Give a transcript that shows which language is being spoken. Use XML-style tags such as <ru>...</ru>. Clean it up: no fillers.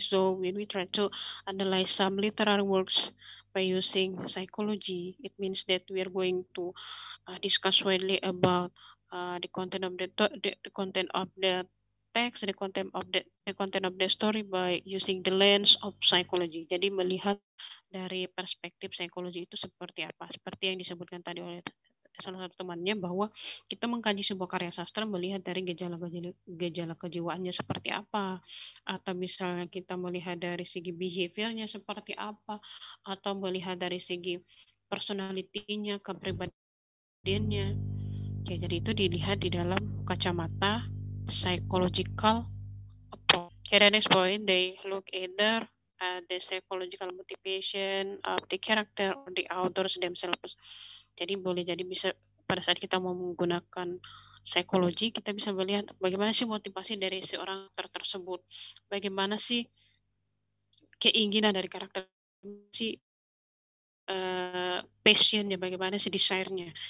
<en>So when we try to analyze some literary works by using psychology, it means that we are going to discuss widely about the content of the story by using the lens of psychology.</en> <id>Jadi melihat dari perspektif psikologi itu seperti apa, seperti yang disebutkan tadi oleh salah satu temannya, bahwa kita mengkaji sebuah karya sastra melihat dari gejala-gejala kejiwaannya seperti apa, atau misalnya kita melihat dari segi behaviornya seperti apa, atau melihat dari segi personalitinya, kepribadiannya. Oke, jadi itu dilihat di dalam kacamata</id> <en>psychological approach. Here next point, they look either at the psychological motivation of the character or the authors themselves.</en> <id>Jadi boleh jadi bisa pada saat kita mau menggunakan psikologi, kita bisa melihat bagaimana sih motivasi dari seorang karakter tersebut, bagaimana sih keinginan dari karakter si passionnya, bagaimana sih desire-nya.</id>